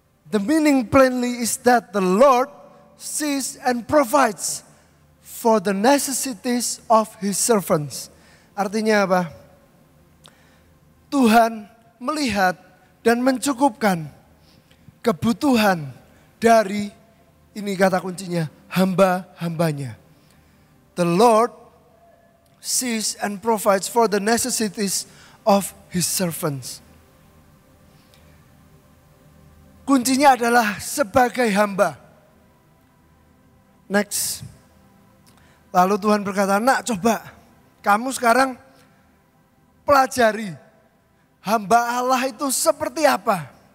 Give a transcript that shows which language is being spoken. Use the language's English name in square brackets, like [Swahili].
[English] The meaning plainly is that the Lord sees and provides for the necessities of his servants. [Indonesian] Artinya apa? Tuhan melihat dan mencukupkan kebutuhan dari, ini kata kuncinya, hamba-hambanya. [English] The Lord sees and provides for the necessities of his servants. [Indonesian] Kuncinya adalah sebagai hamba. Next. Lalu Tuhan berkata, nak coba kamu sekarang pelajari hamba Allah itu seperti apa.